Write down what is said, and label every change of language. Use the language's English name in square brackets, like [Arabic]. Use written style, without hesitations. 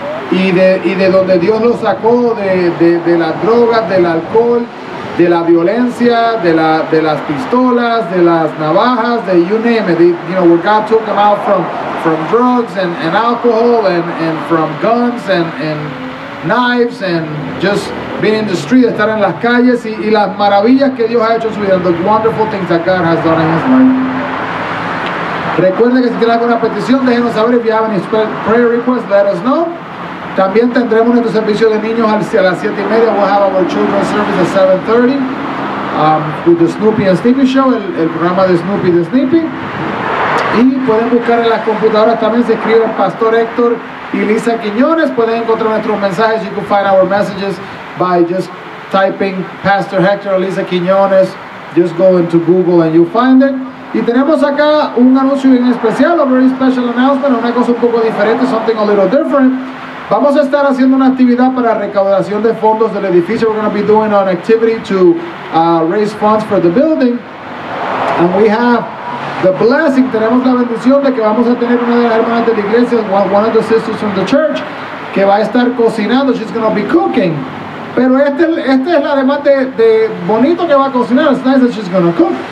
[Spanish] Y de donde Dios lo sacó, de las drogas, del alcohol, de la violencia, de las pistolas, de las navajas, de [English] you name it. Where God took him out from drugs and alcohol and from guns and knives and just being in the street, [Spanish] estar en las calles y las maravillas que Dios ha hecho en su vida, [English] the wonderful things that God has done in his life. [Spanish] Recuerde que si tiene alguna petición, déjenos saber. [English] If you have any prayer requests, let us know. [Spanish] También tendremos nuestro servicio de niños a las 7 y media. [English] We'll have our children's service at 7:30 with the Snoopy and Snippy Show, [Spanish] el programa de Snoopy de Snippy. Y pueden buscar en las computadoras también, se escribe Pastor Héctor y Lisa Quiñones. Pueden encontrar nuestros mensajes. [English] You can find our messages by just typing Pastor Héctor o Lisa Quiñones. Just go into Google and you'll find it. [Spanish] Y tenemos acá un anuncio bien especial, [English] a very special announcement, [Spanish] una cosa un poco diferente, [English] something a little different. [Spanish] Vamos a estar haciendo una actividad para recaudación de fondos del edificio. [English] We're going to be doing an activity to raise funds for the building. And we have the blessing, [Spanish] tenemos la bendición de que vamos a tener una de las hermanas de la iglesia, [English] one of the sisters from the church, [Spanish] que va a estar cocinando, [English] she's going to be cooking. [Spanish] Pero este es además de bonito que va a cocinar, [English] it's nice that she's going to cook.